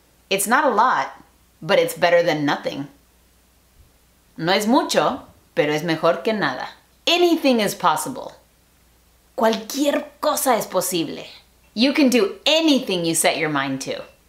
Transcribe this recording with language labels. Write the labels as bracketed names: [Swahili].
[English] It's not a lot, but it's better than nothing. [Spanish] No es mucho, pero es mejor que nada. [English] Anything is possible. [Spanish] Cualquier cosa es posible. [English] You can do anything you set your mind to.